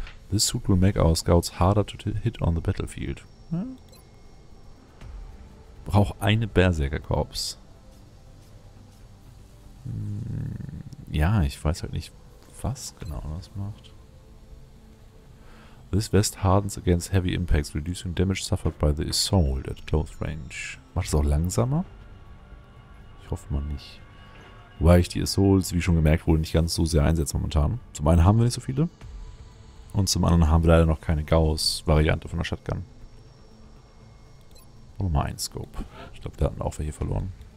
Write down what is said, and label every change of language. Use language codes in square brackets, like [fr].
[en] This suit will make our scouts harder to hit on the battlefield. Hm? [de] Brauch eine Berserker-Korps. Hm, ja, ich weiß halt nicht, was genau das macht. [en] This vest hardens against heavy impacts, reducing damage suffered by the assault at close range. [de] Macht es auch langsamer? Ich hoffe mal nicht. Wobei ich die Assaults, wie schon gemerkt wurde, nicht ganz so sehr einsetze momentan. Zum einen haben wir nicht so viele. Und zum anderen haben wir leider noch keine Gauss-Variante von der Shotgun. Und nochmal ein Scope. Ich glaube, wir hatten auch welche verloren.